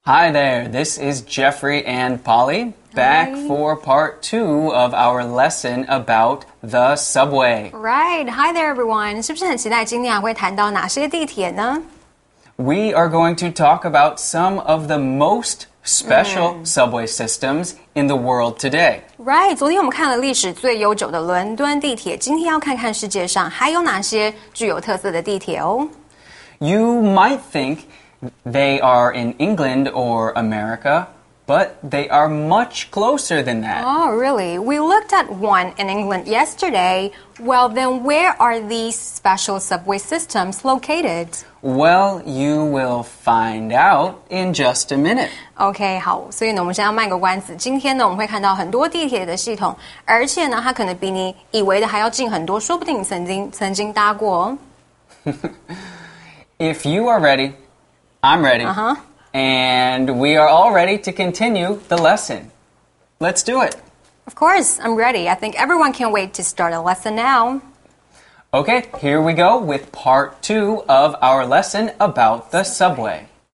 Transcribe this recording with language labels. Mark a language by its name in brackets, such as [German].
[English] Hi there, this is Jeffrey and Polly, back Hi. for part two of our lesson about the subway. Right, hi there everyone. [Chinese] 是不是很期待今天会谈到哪些地铁呢? [English] We are going to talk about some of the most special subway systems in the world today. Right, [Chinese] 昨天我们看了历史最悠久的伦敦地铁，今天要看看世界上还有哪些具有特色的地铁哦。 [English] You might think... They are in England or America, but they are much closer than that. Oh, really? We looked at one in England yesterday. Well, then where are these special subway systems located? Well, you will find out in just a minute. Okay, [Chinese] 好，所以呢，我们先要卖个关子。今天呢，我们会看到很多地铁的系统，而且呢，它可能比你以为的还要近很多，说不定你曾经搭过哦。 [English] If you are ready... I'm ready. And we are all ready to continue the lesson. Let's do it. Of course, I'm ready. I think everyone can't wait to start a lesson now. Okay, here we go with part two of our lesson about the subway.